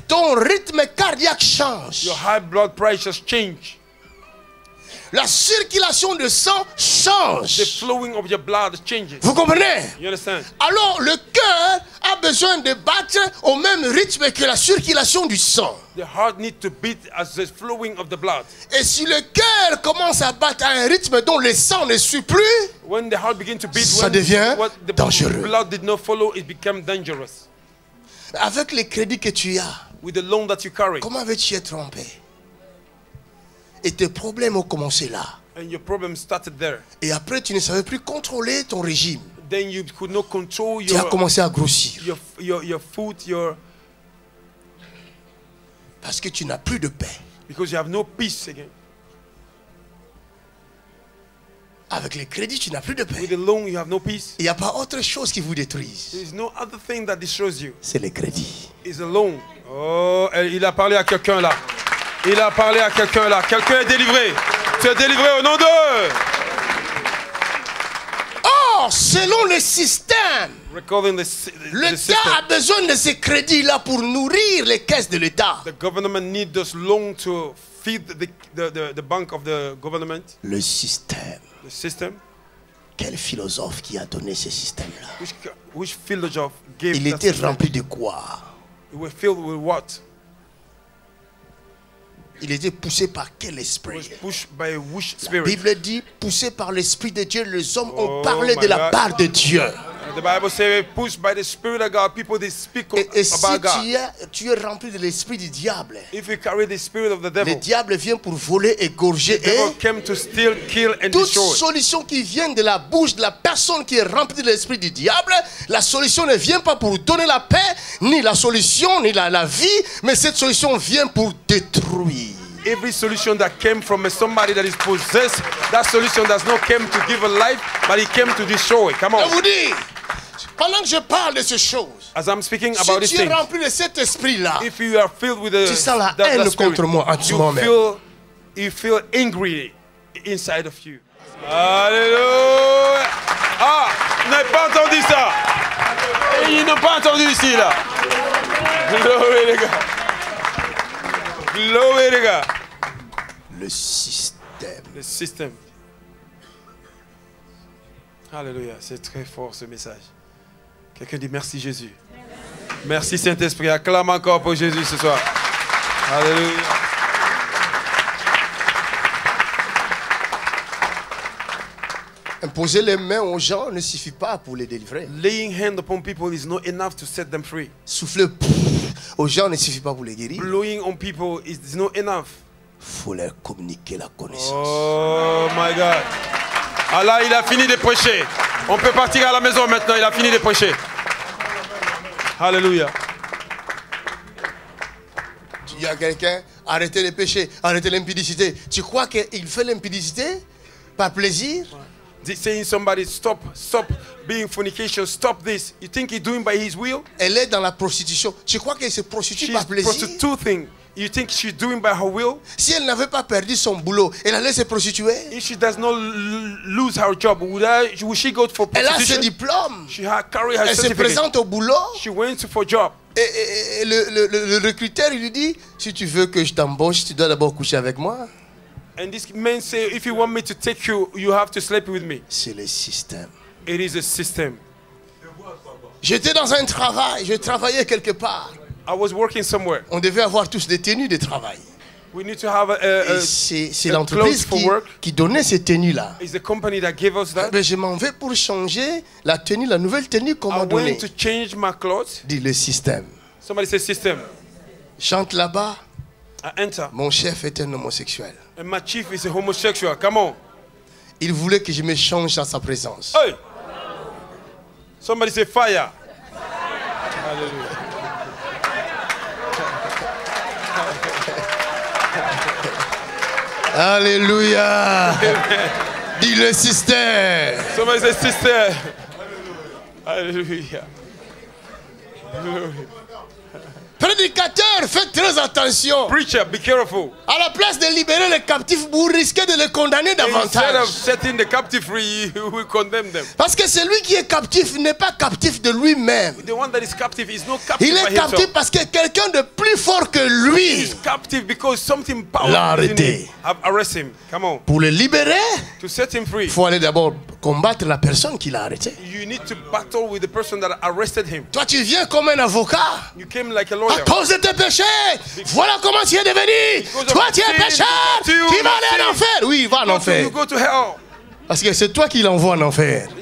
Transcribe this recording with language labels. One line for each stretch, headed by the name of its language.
French: ton rythme cardiaque change.
English: Your high blood pressure changes.
French: La circulation de sang change.
English: The flowing of your blood changes.
French: Vous comprenez?
English: You understand?
French: Alors le cœur a besoin de battre au même rythme que la circulation du sang.
English: The heart need to beat as the flowing of the blood.
French: Et si le cœur commence à battre à un rythme dont le sang ne suit plus,
English: when the heart begin to beat,
French: ça devient
English: what the
French: dangereux.
English: Blood did not follow, it became dangerous.
French: Avec les crédits que tu as,
English: with the loan that you carry,
French: comment veux-tu être trompé? Et tes problèmes ont commencé là.
English: And your problem started there.
French: Et après, tu ne savais plus contrôler ton régime.
English: Then you could not control your,
French: tu as commencé à grossir.
English: Your food, your...
French: Parce que tu n'as plus de paix.
English: Because you have no peace again.
French: Avec les crédits, tu n'as plus de paix.
English: With the loan, you have no peace.
French: Il n'y a pas autre chose qui vous détruise.
English: There's no other thing that destroys you.
French: C'est les crédits.
English: It's a loan.
French: Oh, il a parlé à quelqu'un là. Il a parlé à quelqu'un là. Quelqu'un est délivré. Tu es délivré au nom de. Or, selon le système,
English: recording
French: l'État a besoin de ces crédits là pour nourrir les caisses de l'État.
English: The government needs this loan to feed the bank of the government.
French: Le système.
English: The system.
French: Quel philosophe qui a donné ce système là?
English: Which philosophe gave?
French: Il était rempli de quoi?
English: It was filled with what?
French: Il était poussé par quel esprit?
English: By which spirit?
French: La Bible dit, poussé par l'esprit de Dieu, les hommes ont parlé de la part de Dieu.
English: The Bible says, pushed by the spirit of God, people they speak about God.
French: Et si tu es rempli de l'esprit du diable?
English: If you carry the spirit of the devil.
French: Le diable vient pour voler, égorger et.
English: The devil came to steal, kill and
French: toute
English: destroy. Toute solution qui vient de la bouche de la personne qui est remplie de l'esprit du diable, la solution ne vient pas pour donner la paix, ni la solution, ni la vie, mais cette solution vient pour détruire. Every solution that came from somebody that is possessed, that solution does not come to give a life, but it came to destroy it. Come on.
French: Je vous dis, pendant que je parle de ces choses,
English: as I'm speaking
French: si
English: about
French: tu es rempli de cet esprit-là,
English: if you are filled with
French: haine contre moi en ce moment,
English: you feel angry inside of you. Alléluia.
French: Ah, vous n'avez pas entendu ça. Et ils n'ont pas entendu ici, là.
English: Glory to God. Glory to God.
French: Le système. Le système. Alléluia, c'est très fort ce message. Quelqu'un dit merci Jésus. Merci Saint-Esprit, acclame encore pour Jésus ce soir. Alléluia. Imposer les mains aux gens ne suffit pas pour les délivrer.
English: Laying hand upon people is not enough to set them free.
French: Souffler aux gens ne suffit pas pour les guérir.
English: Blowing on people is not enough.
French: Faut leur communiquer la connaissance.
English: Oh my God.
French: Allah, il a fini de prêcher. On peut partir à la maison maintenant. Il a fini de prêcher. Hallelujah. Il y a quelqu'un. arrêter les péchés, arrêter l'impudicité. Tu crois qu'il fait l'impudicité par plaisir?
English: They're saying somebody stop being fornication, stop this. You think he's doing by his will?
French: Elle est dans la prostitution. Tu crois qu'elle se prostitue
English: she's
French: par plaisir?
English: Prostituting. You think she's doing by her will?
French: Si elle n'avait pas perdu son boulot, elle allait se prostituer?
English: If she does not lose her job, would she go for prostitution?
French: Elle a ce diplôme.
English: She had carry her
French: elle
English: certificate.
French: Se présente au boulot.
English: She went for job.
French: Et le recruteur lui dit, si tu veux que je t'embauche, tu dois d'abord coucher avec moi.
English: And this man say, if you want me to take you, you have to sleep with me.
French: C'est le système.
English: It is a system.
French: J'étais dans un travail, je travaillais quelque part.
English: I was working somewhere.
French: On devait avoir tous des tenues de travail.
English: We need to have
French: c'est l'entreprise qui donnait ces tenues là.
English: Is the company that gave us that?
French: Mais je m'en vais pour changer la tenue, la nouvelle tenue qu'on m'a donnée.
English: I went to change my clothes.
French: Dit le système.
English: Somebody say system.
French: Chante là-bas.
English: I enter.
French: Mon chef est un homosexuel.
English: And my chief is a homosexual. Come on.
French: Il voulait que je me change à sa présence.
English: Hey. Somebody say fire. Hallelujah.
French: Alléluia. Dis le système.
English: Somebody say sister. Alléluia.
French: Prédicateur, faites très attention.
English: Preacher, be careful.
French: À la place de libérer les captifs, vous risquez de les condamner davantage.
English: Instead of setting the captive free, you will condemn them.
French: Parce que celui qui est captif n'est pas captif de lui-même.
English: The one that is captive is not captive.
French: Il est captif
English: himself.
French: Parce que quelqu'un de plus fort que lui.
English: He is captive because something powerful.
French: L'a arrêté.
English: Arrest him. Come on.
French: Pour le libérer.
English: To set him free.
French: Faut aller d'abord combattre la personne qui l'a arrêté.
English: You need to battle with the person that arrested him.
French: Toi, tu viens comme un avocat.
English: You came like a lawyer.
French: À cause de tes péchés, voilà comment tu es devenu. Toi, tu es pécheur. Tu vas aller en enfer. Oui, va en enfer.
English: Go to hell.
French: Parce que c'est toi qui l'envoie en enfer.